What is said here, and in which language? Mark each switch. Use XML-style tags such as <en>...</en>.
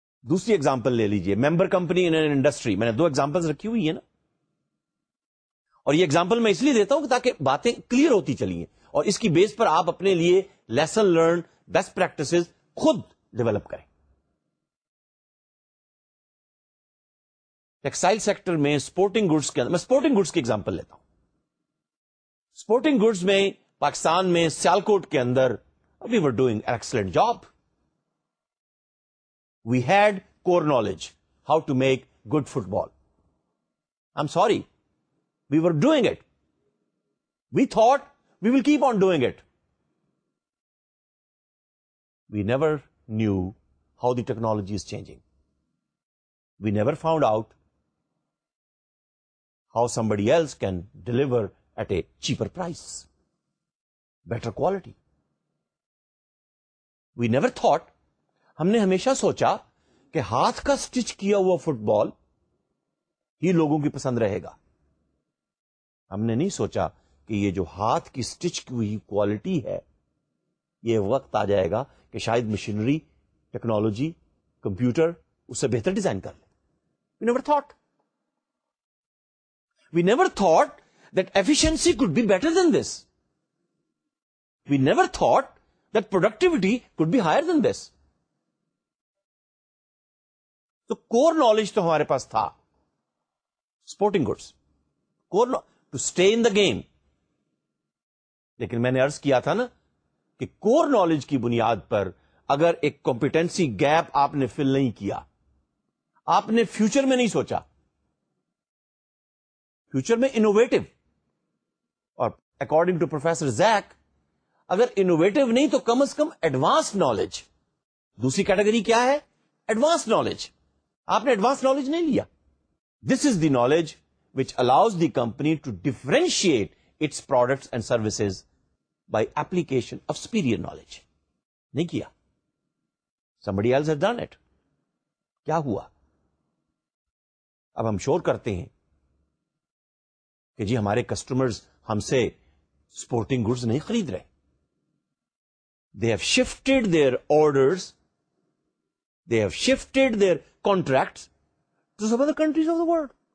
<ur>دوسری ایگزامپل لے لیجیے, ممبر کمپنی ان انڈسٹری. میں نے دو ایگزامپلس رکھی ہوئی ہیں نا, اور یہ ایگزامپل میں اس لیے دیتا ہوں تاکہ باتیں کلیئر ہوتی چلی ہیں, اور اس کی بیس پر آپ اپنے لیے لیسن لرن, بیسٹ پریکٹسز خود ڈیولپ کریں. ٹیکسٹائل سیکٹر میں اسپورٹنگ گڈس کے اندر, میں اسپورٹنگ گڈس کی ایگزامپل لیتا ہوں. اسپورٹنگ گڈس میں پاکستان میں سیالکوٹ کے اندر</ur> <en>We were doing excellent job. We had core knowledge, how to make good football. I'm sorry, we were doing it. We thought we will keep on doing it. We never knew how the technology is changing. We never found out how somebody else can deliver at a cheaper price, better quality. We never thought,</en> <ur>ہم نے ہمیشہ سوچا کہ ہاتھ کا stitch کیا ہوا fit بال ہی لوگوں کی پسند رہے گا. ہم نے نہیں سوچا کہ یہ جو ہاتھ کی سٹچ کی ہوئی کوالٹی ہے, یہ وقت آ جائے گا کہ شاید مشینری, ٹیکنالوجی, کمپیوٹر اسے بہتر ڈیزائن کر لے.</ur> <en>We never thought that efficiency could be better than this. We never thought that productivity could be higher than this.</en> <ur>تو کور نالج تو ہمارے پاس تھا, sporting goods cover,</ur> <en>To stay in the game.</en> <ur>لیکن میں نے عرض کیا تھا نا کہ کور نالج کی بنیاد پر اگر ایک کمپیٹنسی گیپ آپ نے فل نہیں کیا, آپ نے فیوچر میں نہیں سوچا, فیوچر میں انوویٹو, اور اکارڈنگ ٹو پروفیسر زیک اگر انوویٹو نہیں تو کم از کم ایڈوانس نالج. دوسری کیٹیگری کیا ہے؟ Advance knowledge. آپ نے ایڈوانس نالج نہیں لیا.</ur> <en>This is the knowledge which allows the company to differentiate its products and services by application of superior knowledge.</en> <ur>نہیں کیا,</ur> <en>Somebody else has done it.</en> <ur>کیا ہوا؟ اب ہم شور کرتے ہیں کہ جی ہمارے کسٹمرز ہم سے سپورٹنگ گڈز نہیں خرید رہے,</ur> <en>They have shifted their orders, they have shifted their contracts to some other countries of the world.</en>